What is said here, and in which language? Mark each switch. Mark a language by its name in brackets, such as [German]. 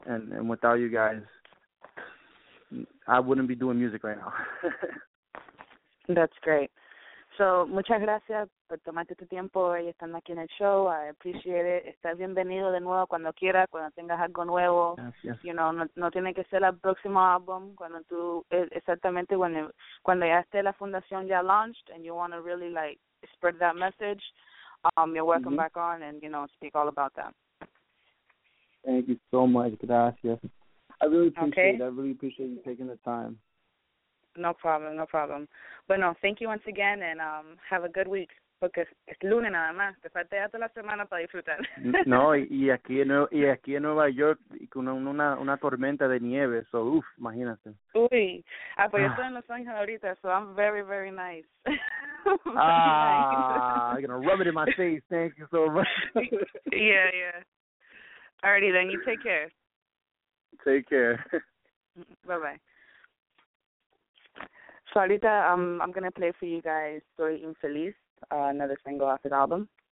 [English] And without you guys, I wouldn't be doing music right now. That's great. [Spanish] So, muchas gracias por tomarte tu tiempo y estando aquí en el show. [English] I appreciate it. [Spanish] Estás bienvenido de nuevo cuando quieras, cuando tengas algo nuevo. Gracias. No tiene que ser el próximo álbum, cuando tú, exactamente cuando ya esté la fundación ya launched and you want to really like spread that message, you're welcome back on and speak all about that. [English] Thank you so much. [Spanish] Gracias. [English] Okay. I really appreciate you taking the time. No problem, no problem. But no, thank you once again and have a good week. [Spanish] porque es lunes nada más, te falta toda la semana para disfrutar. No, y aquí en Nueva York con una tormenta de nieve, so uff, imagínate. Uy, ah, pues yo estoy en Los Ángeles ahorita, [English] so I'm very, very nice. I'm gonna rub it in my face, thank you so much. Yeah, yeah. Alrighty then, you take care. Take care. Bye-bye. So ahorita I'm going to play for you guys Soy Infeliz, another single off the album.